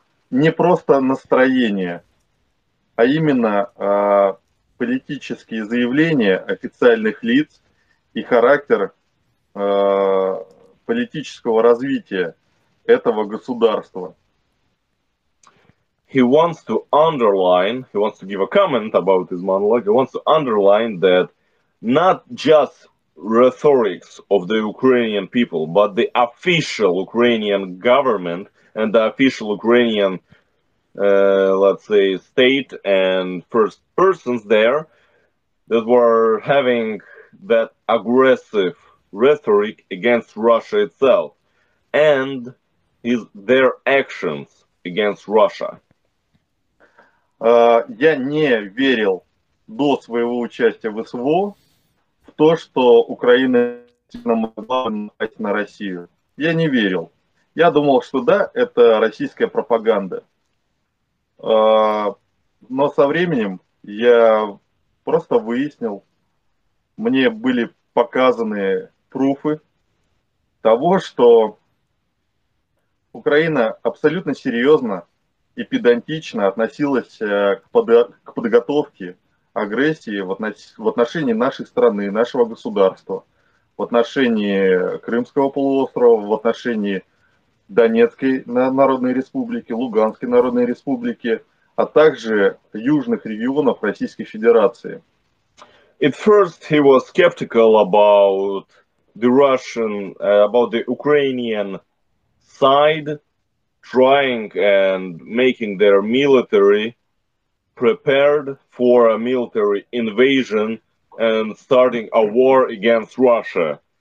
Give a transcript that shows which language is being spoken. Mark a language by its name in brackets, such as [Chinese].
[Russian] Не просто настроение, а именно политические заявления официальных лиц и характер политического развития этого государства. [English] He wants to underline, he wants to give a comment about his monologue, he wants to underline that not just rhetorics of the Ukrainian people, but the official Ukrainian government and the official Ukrainian, let's say, state and first persons there that were having that aggressive rhetoric against Russia itself and is their actions against Russia. [Russian] Я не верил до своего участия в СВО в то, что Украина могла бы напасть на Россию. Я не верил. Я думал, что да, это российская пропаганда. Но со временем я просто выяснил, мне были показаны пруфы того, что Украина абсолютно серьезно и педантично относилась к подготовке агрессии в отношении нашей страны, нашего государства, в отношении Крымского полуострова, в отношении Донецкой Народной Республики, Луганской Народной Республики, а также южных регионов Российской Федерации. [English] At first he was skeptical about the Russian, about the Ukrainian side trying and making their military prepared for a military invasion and starting a war against Russia.